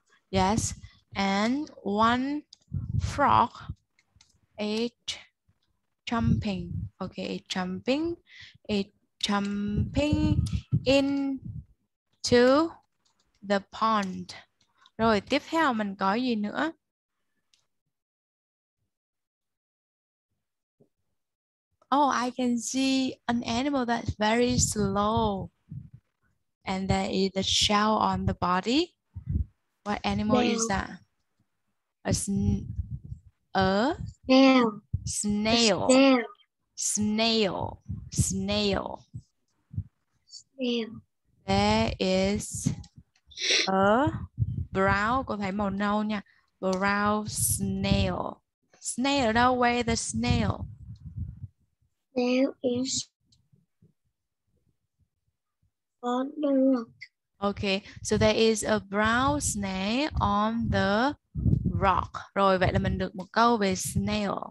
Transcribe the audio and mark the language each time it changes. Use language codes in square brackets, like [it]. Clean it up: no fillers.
[en] Yes. And one frog is jumping. Okay, jumping. It's jumping into the pond. [vi] Rồi tiếp theo mình có gì nữa? [en] Oh, I can see an animal that's very slow. And there is a shell on the body. What animal snail. Is that? Snail. Snail. A snail. Snail. Snail. Snail. There is a brown, [vi] có thấy màu nâu nha. [en] Brown snail. Snail, no way, the snail. There is on the rock. Okay, so there is a brown snail on the rock. [vi] Rồi, vậy là mình được một câu về snail.